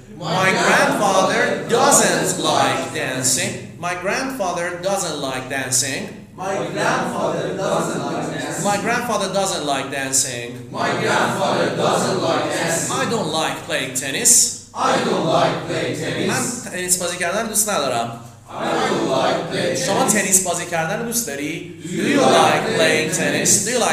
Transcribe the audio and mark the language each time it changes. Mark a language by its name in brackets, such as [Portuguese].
[English] My grandfather doesn't like dancing. My grandfather doesn't like dancing. I don't like playing tennis. [Persian] من تنیس بازی کردن دوست ندارم. شما تنیس بازی کردن رو دوست داری؟ [English] Do you like playing tennis?